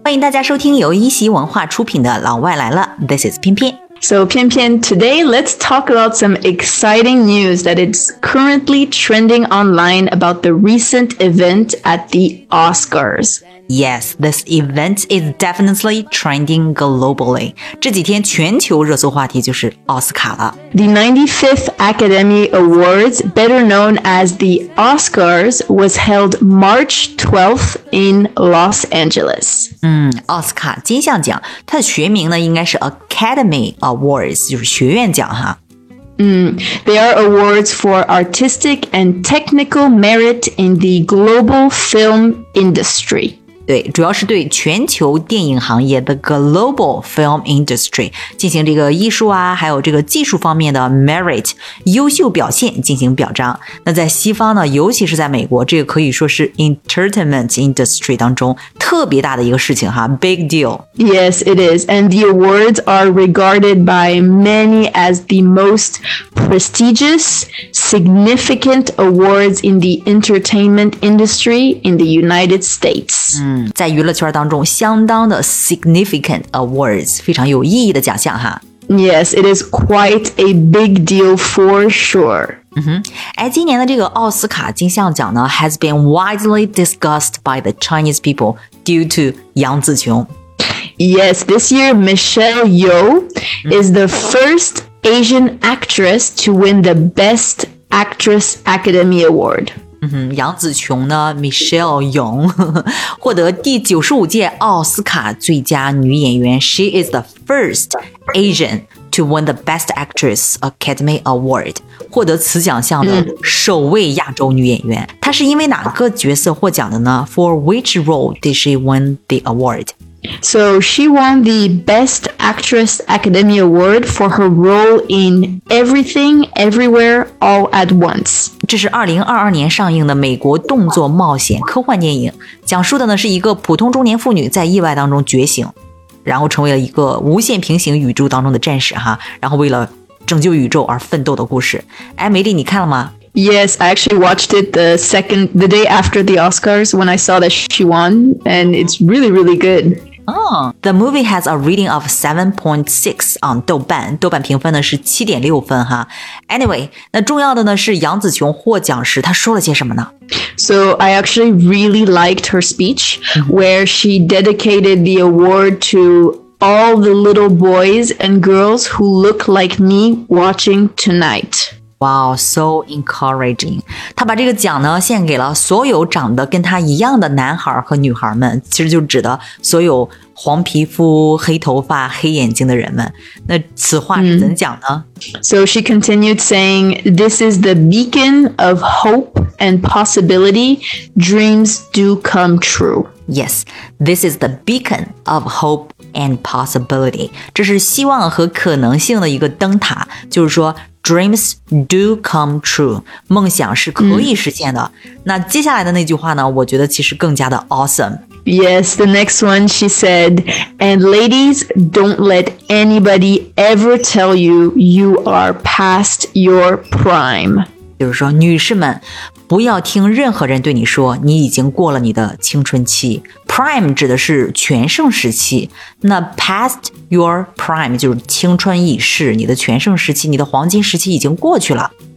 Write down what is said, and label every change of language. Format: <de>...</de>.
<zh>欢迎大家收听由一席文化出品的《老外来了》。</zh> <en>This is 翩翩。 So, 翩翩, today let's talk about some exciting news that is currently trending online about the recent event at the Oscars. Yes, this event is definitely trending globally.</en> <zh>这几天全球热搜话题就是奥斯卡了。</zh> <en>The 95th Academy Awards, better known as the Oscars, was held March 12th in Los Angeles.</en> <zh>奥斯卡金像奖，它的学名呢应该是 Academy Awards, 就是学院奖哈。</zh> <en>They are awards for artistic and technical merit in the global film industry.</en> <zh>对，主要是对全球电影行业</zh> <en>the global film industry</en> <zh>进行这个艺术啊，还有这个技术方面的 merit 优秀表现进行表彰。那在西方呢，尤其是在美国，这个可以说是</zh> <en>entertainment industry</en> <zh>当中特别大的一个事情哈，</zh> <en>big deal. Yes, it is. And the awards are regarded by many as the most prestigious, significant awards in the entertainment industry in the United States.</en> <zh>在娱乐圈当中相当的</zh> <en>significant awards,</en> <zh>非常有意义的奖项哈。</zh> <en>Yes, it is quite a big deal for sure.</en> <zh>今年的这个奥斯卡金像奖呢</zh> <en>has been widely discussed by the Chinese people due to 杨紫琼。 Yes, this year Michelle Yeoh is the first Asian actress to win the Best Actress Academy Award.</en> <zh>杨紫琼呢 Michelle Yeoh 获得第95届奥斯卡最佳女演员</zh> <en>She is the first Asian to win the Best Actress Academy Award</en> <zh>获得此奖项的首位亚洲女演员她是因为哪个角色获奖的呢</zh> <en>For which role did she win the award? So she won the Best Actress Academy Award for her role in Everything, Everywhere, All at Once</en> <zh>这是2022年上映的美国动作冒险科幻电影讲述的呢是一个普通中年妇女在意外当中觉醒然后成为了一个无限平行宇宙当中的战士哈，然后为了拯救宇宙而奋斗的故事哎，梅丽你看了吗</zh> <en>Yes, I actually watched it the day after the Oscars when I saw that she won and it's really, really good The movie has a rating of 7.6 on</en> <zh>豆瓣豆瓣评分呢是 7.6 分哈 Anyway, 那重要的呢是杨紫琼获奖时她说了些什么呢</zh> <en>So I actually really liked her speech where she dedicated the award to all the little boys and girls who look like me watching tonight Wow, so encouraging</en> <zh>她把这个奖呢献给了所有长得跟她一样的男孩和女孩们其实就指的所有黄皮肤、黑头发、黑眼睛的人们，那此话是怎讲呢？</zh> <en>So she continued saying, "This is the beacon of hope and possibility. Dreams do come true." Yes, this is the beacon of hope and possibility.</en> <zh>这是希望和可能性的一个灯塔，就是说</zh> <en>dreams do come true.</en> <zh>梦想是可以实现的。那接下来的那句话呢？我觉得其实更加的 awesome。</zh> <en>Yes, the next one she said, and ladies, don't let anybody ever tell you you are past your prime.</en> <zh>就是说女士们不要听任何人对你说你已经过了你的青春期。 Prime 指的是全盛时期。那</zh> <en>past your prime</en> <zh>就是青春已逝你的全盛时期你的黄金时期已经过去了。</zh>